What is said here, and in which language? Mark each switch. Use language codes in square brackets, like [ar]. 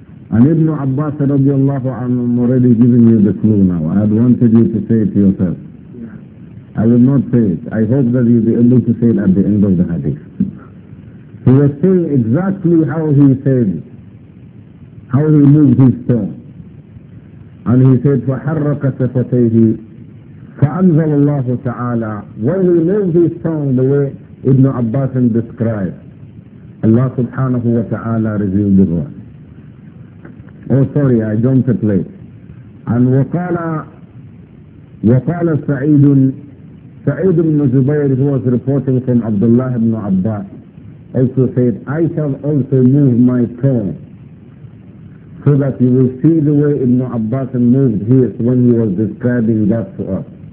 [en] And Ibn Abbas radiallahu anhu, I'm already giving you the clue now. I had wanted you to say it to yourself. I will not say it. I hope that you'll be able to say it at the end of the hadith. He was saying exactly how he said it, how he moved his tongue. And he said, [ar] فَحَرَّكَ سَفَتَيْهِ فَأَنْزَلَ اللَّهُ تَعَالَى. [en] When he moved his tongue the way Ibn Abbas described, Allah subhanahu wa ta'ala revealed the verse. Oh, sorry, I jumped a place. And [ar] وَقَالَ سَعِيدٌ. [en] Sa'id ibn Zubayr, who was reporting from Abdullah ibn Abbas, also said, I shall also move my tongue so that you will see the way Ibn Abbas moved his when he was describing that to us.